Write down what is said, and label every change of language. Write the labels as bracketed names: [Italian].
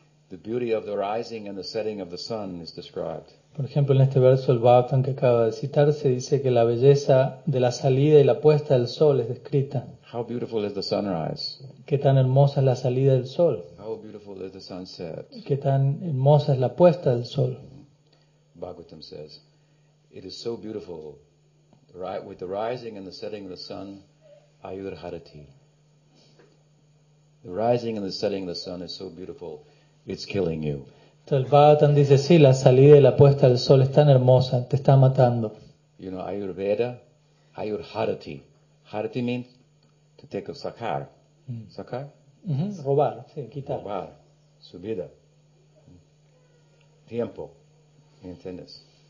[English] The beauty of the rising and the setting of the sun is described. [Spanish] Por ejemplo, en este verso del Bhagavatam que acaba de citar, se dice que la belleza de la salida y la puesta del sol es descrita. [English] How beautiful is the sunrise? [Spanish] Qué tan hermosa es la salida del sol. [English] How beautiful is the sunset? [Spanish] Qué tan hermosa es la puesta del sol. [English] Bhagavatam says, it is so beautiful, right, with the rising and the setting of the sun, Ayur Harati. The rising and the setting of the sun is so beautiful, it's killing you. [Spanish] Entonces el Bhagavatam dice, sí, la salida y la puesta del sol es tan hermosa, te está matando. [English] You know, Ayurveda, Ayurharati. Harati means to take a sakar. Sakar? [Spanish] Robar, sí, quitar. Robar, su vida. Tiempo, ¿entiendes?